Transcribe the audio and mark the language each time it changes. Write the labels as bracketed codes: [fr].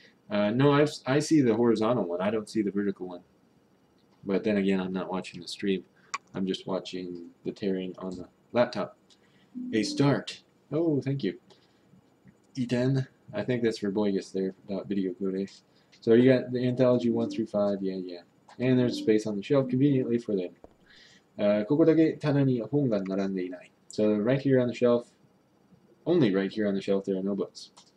[en] No, I see the horizontal one. I don't see the vertical one. But then again, I'm not watching the stream. I'm just watching the tearing on the laptop. A start. Oh, thank you. Eden. I think that's for Boygus there, about video codecs. So you got the anthology 1 through 5. Yeah. And there's space on the shelf conveniently for them. [ja] ここだけ棚に本が並んでいない. [en] So right here on the shelf, only right here on the shelf, there are no books.